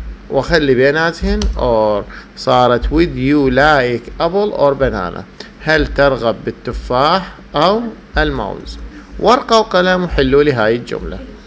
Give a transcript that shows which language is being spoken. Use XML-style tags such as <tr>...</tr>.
<ar>وخلي بيناتهن or. صارت</ar> <en>would you like apple or banana.</en> <ar>هل ترغب بالتفاح أو الموز. ورقة وقلم وحلوا لي هاي الجملة.</ar>